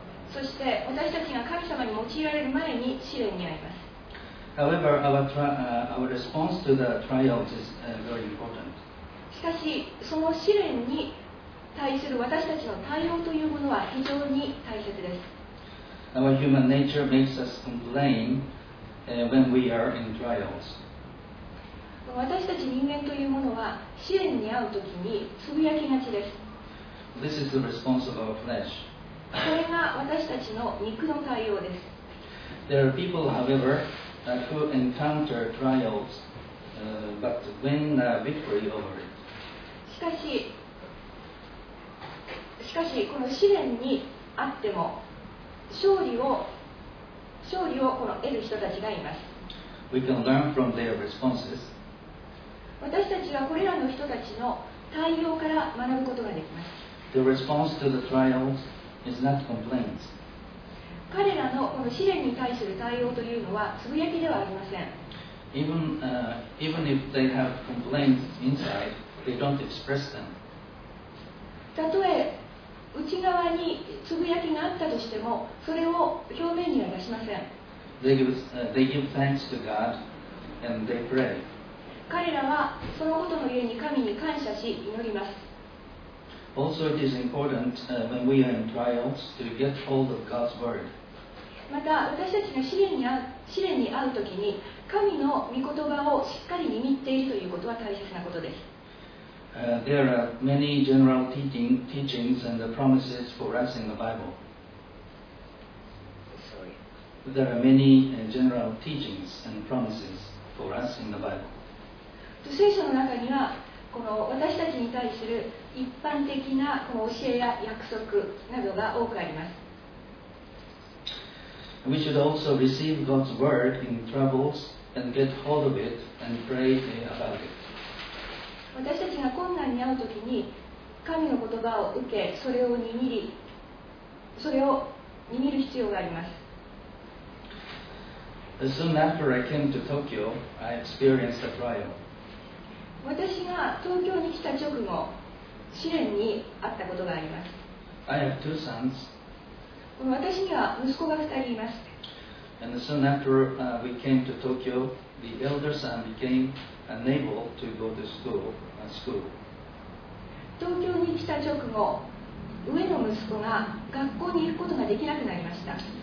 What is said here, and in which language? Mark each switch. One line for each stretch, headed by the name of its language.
Japanese: そして私たちが神様に用いられる前に試練に遭います。
English: However, our response to the trials is very important.
Japanese: しかしその試練に対する私たちの対応というものは非常に大切です。
English: Our human nature makes us complain when we are in trials.
Japanese: 私たち人間というものは試練に遭うときにつぶやきがちです。
English: This is the response of our flesh.
Japanese: これが私たちの肉の対応です。
English: There are people, however, who encounter trials, but win a victory over it.
Japanese: しかし、この試練にあっても勝利をこの得る人たちがいます。
English: We can learn from their responses.
Japanese: 私たちはこれらの人たちの対応から学ぶことができます。
English: The response to the trials is not complaints.
Japanese: 彼らのこの試練に対する対応というのはつぶやきではありません。
English: Even if they have complaints inside, they don't express them.
Japanese: たとえ内側につぶやきがあったとしても、それを表面には出しません。
English: They give thanks to God and they pray.
Japanese: 彼らはそのことのゆえに神に感謝し祈ります。
English: Also, it is important, when we are in trials to get hold of God's word.
Japanese: また私たちが試練に遭うときに神の御言葉をしっかり握っているということは大切なことです。
English: There are many general teachings and the promises for us in the Bible. There are many general teachings and promises for us in the Bible.
Japanese: 聖書の中にはこの私たちに対する一般的なこの教えや約束などが多くあります。
English: We should also receive God's word in troubles and get hold of it and pray about it.
Japanese: 私たちが困難に遭うときに神の言葉を受け、それを握る必要があります。
English: Soon after I came to Tokyo, I experienced a trial.
Japanese: 私が東京に来た直後、試練に遭ったことがあります。
English: I have two sons.
Japanese: 私には息子が二人います。
English: And soon after we came to Tokyo, the elder son became unable to go to school.
Japanese: 東京に来た直後、上の息子が学校に行くことができなくなりました。